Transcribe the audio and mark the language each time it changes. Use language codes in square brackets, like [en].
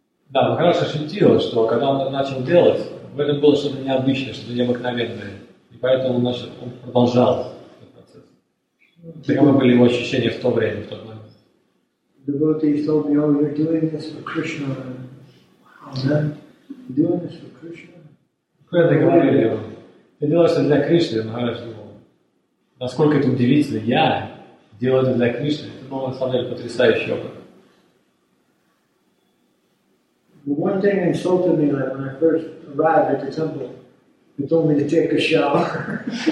[ru] Да, он хорошо ощутил, что когда он начал делать, в этом было что-то необычное, что-то необыкновенное. И поэтому он продолжал этот процесс. Таковы были его ощущения в то время, в тот момент. [en] Devotee told me, oh, you're doing this for Krishna. Oh, man, you're doing this for Krishna? [ru] Какое это говорили ему? Ты делаешь это для Кришны, он хорошо думал. Насколько это удивительно, я делаю это для Кришны. Это был, на самом деле, потрясающий опыт. [en] The one thing insulted me like when I first arrived at the temple, they told me to take a shower.